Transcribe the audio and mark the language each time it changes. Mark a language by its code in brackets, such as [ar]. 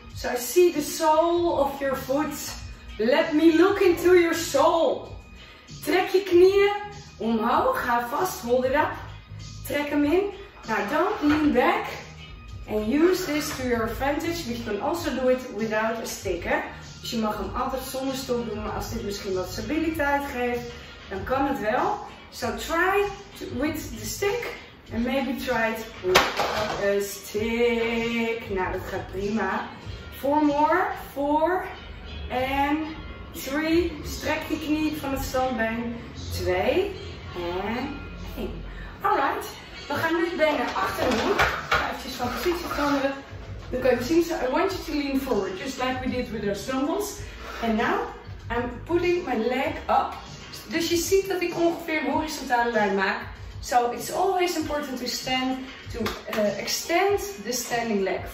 [en] So I see the sole of your foot. Let me look into your soul. [nl] Trek je knieën omhoog. Ga vast. [en] Hold it up. [nl] Trek hem in. [en] Now don't lean back. And use this to your advantage. You can also do it without a stick. Hè? [nl] Dus je mag hem altijd zonder stok doen. Maar als dit misschien wat stabiliteit geeft, dan kan het wel. [en] So try to, with the stick. And maybe try it without a stick. [nl] Nou, dat gaat prima. [en] Four more. Four. And three. [nl] Strek je knie van het standbeen. Twee. En één. Alright. We gaan nu benen achter de hoek. Even van positie veranderen. Dan kan je zien. [en] So I want you to lean forward. Just like we did with our stumbles. And now I'm putting my leg up. [nl] Dus je ziet dat ik ongeveer een horizontale lijn maak. [en] So it's always important to stand, to extend the standing leg.